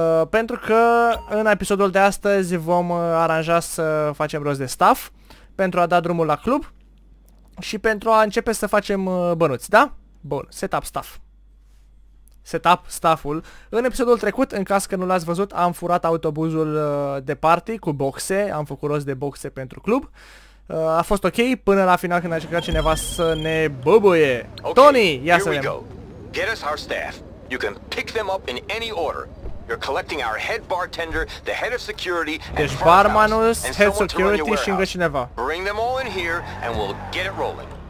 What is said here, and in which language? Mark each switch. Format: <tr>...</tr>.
<ro>Pentru că în episodul de astăzi vom aranja să facem rost de staff pentru a da drumul la club și pentru a începe să facem bănuți, da? Bun, setup staff. Setup staff-ul. În episodul trecut, în caz că nu l-ați văzut, am furat autobuzul de party cu boxe. Am făcut rost de boxe pentru club. A fost ok până la final când a încercat cineva să ne băbuie. Okay, Tony, ia să vedem.</ro> <en>Get us our staff. You can pick them up in any order. You're collecting our head bartender, the head of security,</en> <ro>deci barmanul, head security și încă cineva.</ro> <en>Bring them all in here and we'll get it rolling.</en>